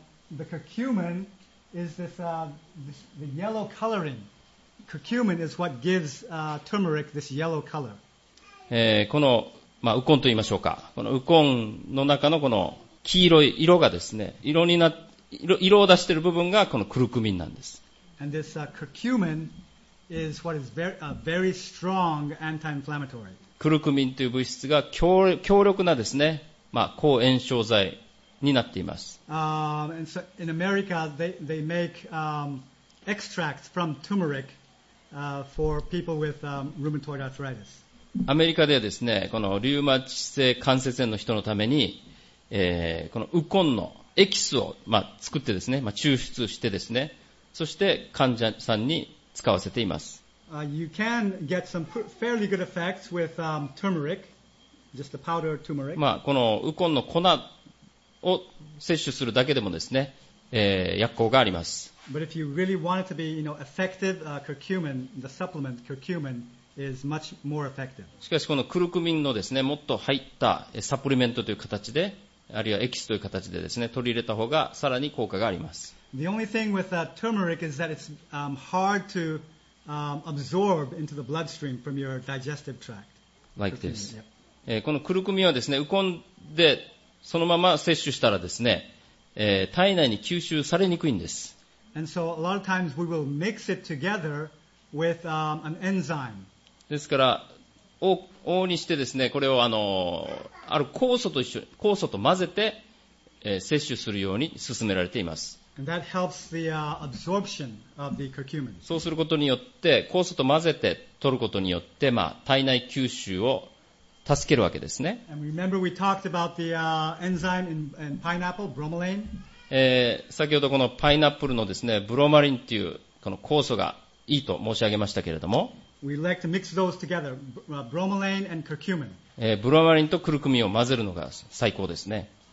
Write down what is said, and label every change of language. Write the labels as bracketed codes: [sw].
[en] The curcumin is the yellow coloring. Curcumin is what gives turmeric this yellow color. [ja] この、まあ、ウコンと言いましょうか。このウコンの中のこの黄色い色がですね、色を出している部分がこのクルクミンなんです。 [en] And this curcumin is what is very strong anti-inflammatory. [ja] クルクミンという物質が強力なですね、まあ、抗炎症剤になっています。 [en] And so in America, they make extracts from turmeric. for people with rheumatoid arthritis. [ja] アメリカではですね、このリウマチ性関節炎の人のために、このウコンのエキスを、作ってですね、抽出してですね、そして患者さんに使わせています。 [en] You can get some fairly good effects with turmeric, just the powder turmeric. [ja] このウコンの粉を摂取するだけでもですね、薬効があります。 [en] But if you really want it to be, you know, effective, curcumin, the supplement curcumin is much more effective. [ja] しかしこのクルクミンのですね、もっと入ったサプリメントという形で、あるいはエキスという形でですね、取り入れた方がさらに効果があります。 [en] The only thing with turmeric is that it's hard to absorb into the bloodstream from your digestive tract. Like this. [ja] このクルクミンはですね、ウコンでそのまま摂取したらですね、体内に吸収されにくいんです。 [en] And so a lot of times we will mix it together with an enzyme. [ja] ですから、往々にしてですね、これをある酵素と一緒、酵素と混ぜて、摂取するように勧められています。 [en] And that helps the absorption of the curcumin. [ja] そうすることによって、酵素と混ぜて取ることによって、体内吸収を助けるわけですね。 [en] And remember we talked about the enzyme in pineapple, bromelain. [ja] 先ほどこのパイナップルのですね、ブロマリンっていうこの酵素がいいと申し上げましたけれども、 [en] We like to mix those together, bromelain and curcumin. [ja] ブロマリンとクルクミンを混ぜるのが最高ですね。